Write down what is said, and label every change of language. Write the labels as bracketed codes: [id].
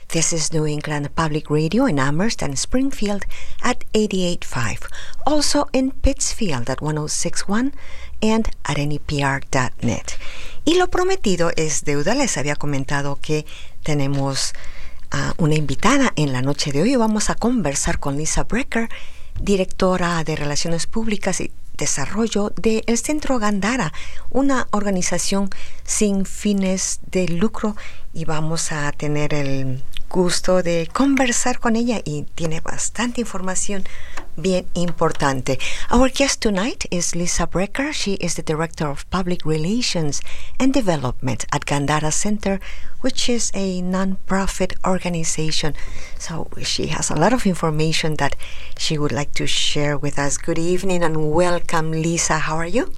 [en] This is New England Public Radio in Amherst and Springfield at 88.5. Also in Pittsfield at 106.1 and at NEPR.net. [es] Y lo prometido es deuda. Les había comentado que tenemos una invitada en la noche de hoy. Vamos a conversar con Lisa Brecker, directora de Relaciones Públicas y Desarrollo del Centro Gandara, una organización sin fines de lucro. Y vamos a tener el gusto de conversar con ella, y tiene bastante información bien importante. [en] Our guest tonight is Lisa Brecker. She is the Director of Public Relations and Development at Gandara Center, which is a non-profit organization. So she has a lot of information that she would like to share with us. Good evening and welcome, Lisa. How are you?